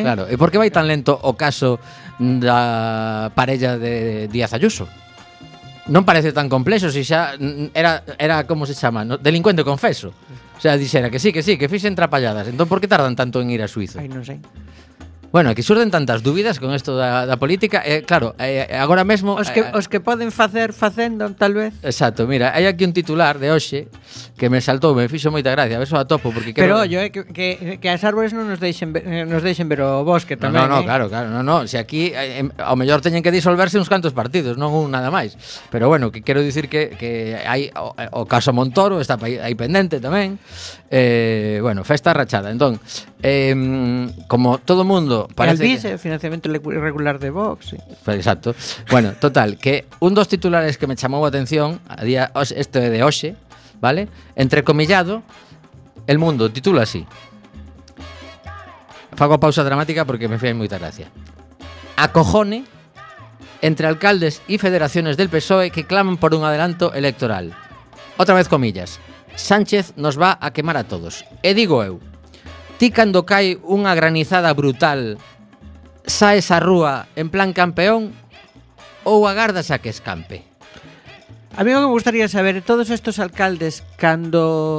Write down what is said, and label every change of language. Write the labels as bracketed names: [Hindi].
[Galician] Claro, [Spanish] ¿y por qué va tan lento [Galician] o caso da parella de Díaz Ayuso? Non parece tan complexo, si xa era como se chama, ¿no? Delincuente confeso. O sea, dixera que sí, que fixen trapalladas. Entón, ¿por qué tardan tanto en ir a Suiza? Ay, non sei. Bueno, aquí surden tantas dúbidas con esto da política. Claro, agora mesmo... Os que poden facer, facendo, tal vez. Exacto, mira, hai aquí un titular de hoxe que me saltou, me fixo moita gracia. A ver se o atopo, porque... Pero ollo, que as árbores non nos deixen ver o bosque tamén. No, claro, no. Si aquí, ao mellor teñen que disolverse uns cantos partidos, non un nada máis. Pero bueno, que quero dicir que hai o caso Montoro, está aí pendente tamén. Bueno, festa rachada. Entón, como todo mundo parece [Spanish] el vice, que... financiamiento irregular de Vox, sí. Pues exacto. [Galician] Bueno, total, que un dos titulares que me chamó la atención a día, esto de hoxe, ¿vale? Entrecomillado, El Mundo titula así. Fago pausa dramática porque me fai moita gracia. [Spanish] Acojone entre alcaldes y federaciones del PSOE que claman por un adelanto electoral. Otra vez comillas. Sánchez nos va a quemar a todos. [Galician] E digo eu, ti cando cae unha granizada brutal, saes á rúa en plan campeón ou agardas a que escampe? [Spanish] A mí me gustaría saber, todos estos alcaldes, cando...